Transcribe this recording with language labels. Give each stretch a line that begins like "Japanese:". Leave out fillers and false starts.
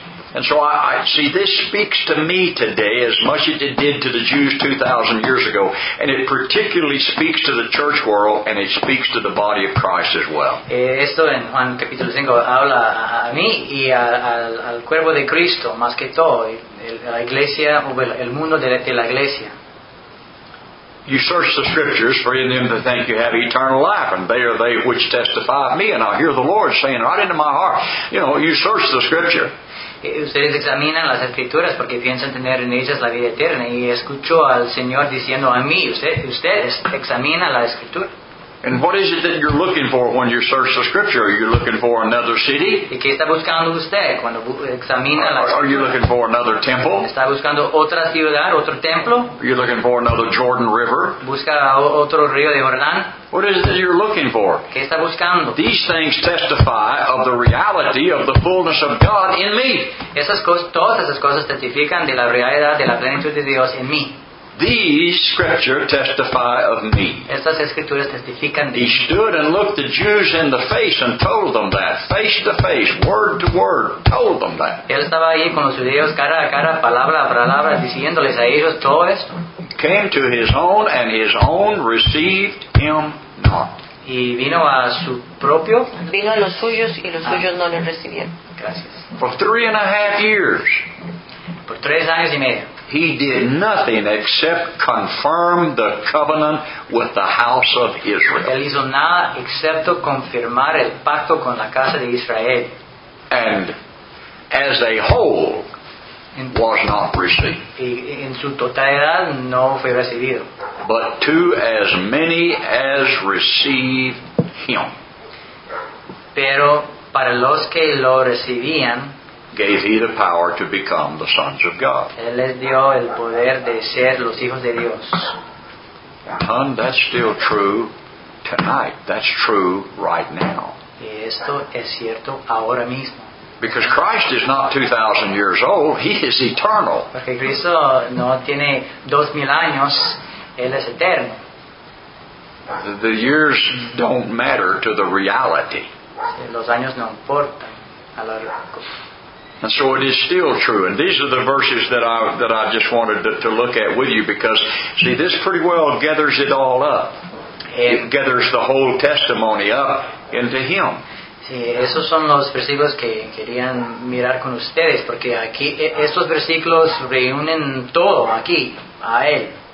English: And so I see this speaks to me today as much as it did to the Jews 2,000 years ago, and it particularly speaks to the church world, and it speaks to the body of Christ as well.
Spanish: Esto en Juan capítulo 5 habla a mí y al cuerpo de Cristo más que todo, la iglesia o el mundo de la iglesia.
English: You search the scriptures, for in them to think you have eternal life, and they are they which testify of me, and I hear the Lord saying right into my heart, you know, you search the scripture.
Spanish: Ustedes examinan las escrituras porque piensan tener en ellas la vida eterna y escucho al Señor diciendo a mí, ustedes examinan la escritura.
English: And what is it that you're looking for when you search the scripture? Are you looking for another city?
Spanish: ¿Y qué está buscando usted cuando examina la escritura?
English: Are you looking for another temple?
Spanish: ¿Está buscando otra ciudad, otro templo?
English: Are you looking for another Jordan River?
Spanish: ¿Busca otro río de Jordán?
English: What is it that you're looking for?
Spanish: ¿Qué está buscando?
English: These things testify of the reality of the fullness of God in me.
Spanish: Todas esas cosas testifican de la realidad de la plenitud de Dios en mí.
English: These scriptures testify of me.
Spanish: Estas escrituras testifican de
English: he stood and looked the Jews in the face and told them that, face to face, word to word, told them that.
Spanish: Él estaba allí con los judíos cara a cara, palabra a palabra, diciéndoles a ellos todo esto.
English: Came to his own and his own received him not.
Spanish: Y vino a su propio. Vino a los suyos y los suyos no le recibieron. Gracias.
English: For 3.5 years.
Spanish: Por 3 años y medio.
English: He did nothing except confirm the covenant with the house of Israel.
Spanish: Él hizo nada excepto confirmar el pacto con la casa de Israel.
English: and as a whole was not received.
Spanish: Y en su totalidad no fue recibido.
English: But to as many as received him.
Spanish: Pero para los que lo recibían,
English: gave he the power to become the sons of God.
Spanish: Él les dio el poder de ser los hijos de Dios.
English: Hon, that's still true tonight. That's true right now.
Spanish: Y esto es cierto ahora mismo.
English: Because Christ is not 2,000 years old. He is eternal.
Spanish: Porque Cristo no tiene 2,000 años. Él es eterno.
English: The years don't matter to the reality.
Spanish: Los años no importan a la realidad.
English: And so it is still true. And these are the verses that I just wanted to look at with you, because, see, this pretty well gathers it all up. It gathers the whole testimony up into Him.
Spanish: Sí, esos son los versículos que querían mirar con ustedes, porque aquí estos versículos reúnen todo aquí a Él.